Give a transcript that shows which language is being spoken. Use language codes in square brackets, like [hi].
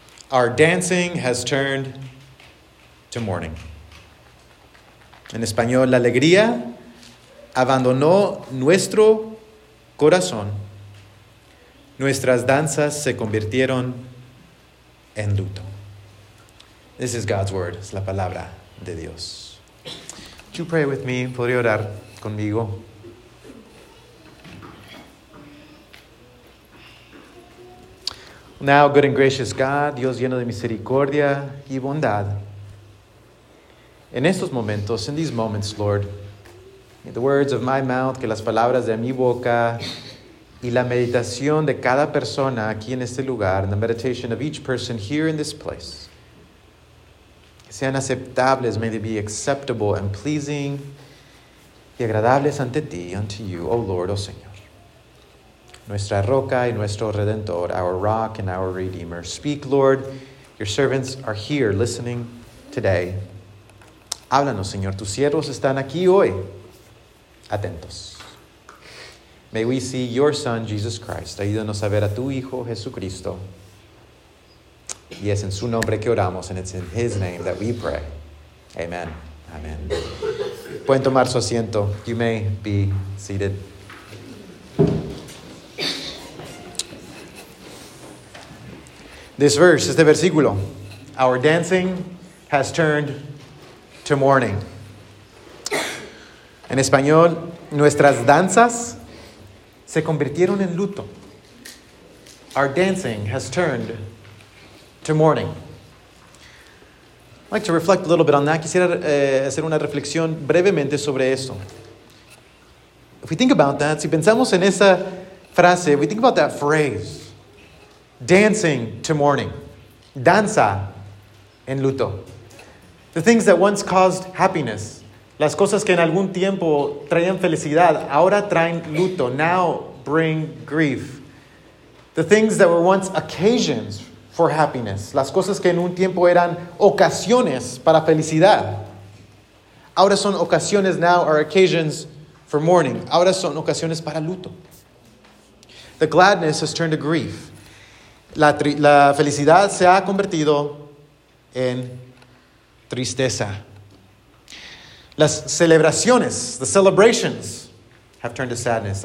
[en] Our dancing has turned to mourning. [es] En español, la alegría abandonó nuestro corazón. Nuestras danzas se convirtieron en luto. [en] This is God's word. [es] Es la palabra de Dios. [en] Would you pray with me? [es] ¿Podría orar conmigo? [en] Now, good and gracious God, [es] Dios lleno de misericordia y bondad. En estos momentos, [en] in these moments, Lord, may the words of my mouth, [es] que las palabras de mi boca y la meditación de cada persona aquí en este lugar, [en] and the meditation of each person here in this place, [es] sean aceptables, [en] may they be acceptable and pleasing [es] y agradables ante ti, [en] unto you, O Lord, [es] O Señor. Nuestra roca y nuestro redentor, [en] our rock and our redeemer. Speak, Lord, your servants are here listening today. [es] Háblanos, Señor, tus siervos están aquí hoy. Atentos. [en] May we see your son, Jesus Christ. [es] Ayúdanos a ver a tu hijo, Jesucristo. Y es en su nombre que oramos, [en] and it's in his name that we pray. [es] Amen. Amen. Pueden tomar su asiento. [en] You may be seated. This verse, [es] este versículo, [en] our dancing has turned to mourning. [es] En español, nuestras danzas se convirtieron en luto. [en] Our dancing has turned to mourning. I'd like to reflect a little bit on that. [es] Quisiera hacer una reflexión brevemente sobre eso. [en] If we think about that, [es] si pensamos en esa frase, [en] we think about that phrase. Dancing to mourning. [es] Danza en luto. [en] The things that once caused happiness. [es] Las cosas que en algún tiempo traían felicidad, ahora traen luto. [en] Now bring grief. The things that were once occasions for happiness. [es] Las cosas que en un tiempo eran ocasiones para felicidad. Ahora son ocasiones, [en] now are occasions for mourning. [es] Ahora son ocasiones para luto. [en] The gladness has turned to grief. [es] La felicidad se ha convertido en tristeza. Las celebraciones, [en] the celebrations, have turned to sadness.